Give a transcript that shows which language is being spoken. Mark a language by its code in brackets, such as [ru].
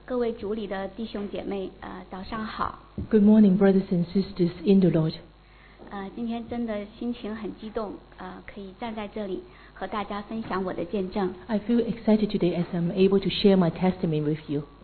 [zh] 各位主里的弟兄姐妹，早上好。 [en] Good morning, brothers and sisters in the Lord. [zh] 今天真的心情很激动，可以站在这里和大家分享我的见证。 [en] I feel excited today as I'm able to share my testimony with you.